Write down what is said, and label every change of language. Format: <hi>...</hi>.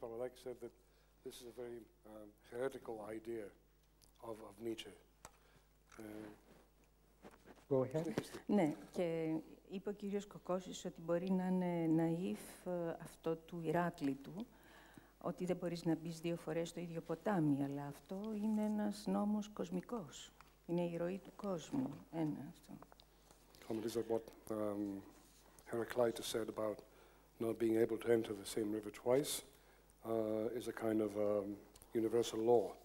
<en>Papadaki said that this is a very heretical idea of Nietzsche. Go ahead.</en> <el>Ναι, και είπε ο κύριος Κοκώσης ότι μπορεί να είναι ναΐφ αυτό του Ηράκλητου, ότι δεν μπορείς να μπεις δύο φορές στο ίδιο ποτάμι, αλλά αυτό είναι ένας νόμος κοσμικός. Είναι η ροή του κόσμου. Ένα αυτό.</el> <en>Comment is what Heraclitus said about not being able to enter the same river twice is a kind of universal law.</en>